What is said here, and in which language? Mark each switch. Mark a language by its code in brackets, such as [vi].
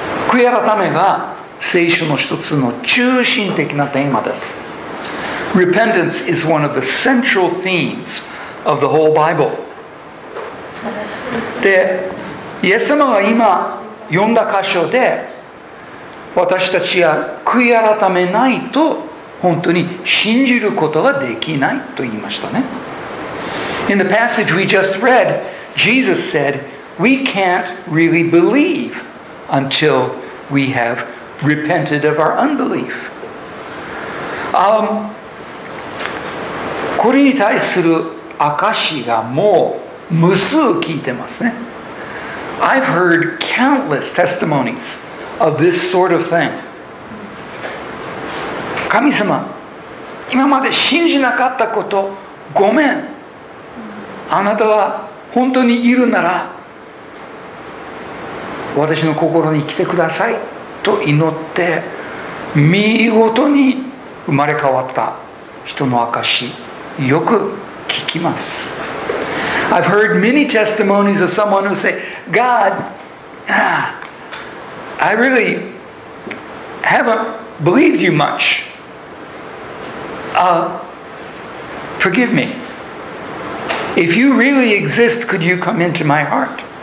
[ja] 悔い改めが聖書の一つの中心的なテーマです。 [en] Repentance is one of the central themes of the whole Bible. [ja] で、イエス様が今読んだ箇所で、私たちは悔い改めないと本当に信じることができないと言いましたね。 [en] In the passage we just read, Jesus said, "We can't really believe until we have repented of our unbelief." [ja] これに対する証しがもう無数聞いてますね。 [en] I've heard countless testimonies of this sort of thing. [ja] 神様、今まで信じなかったこと、ごめん。あなたは本当にいるなら、私の心に来てくださいと祈って、見事に生まれ変わった人の証し。よく聞きます。 [en] I've heard many testimonies of someone who say, God, I really haven't believed you much. Forgive me. If you really exist, could you come into my heart?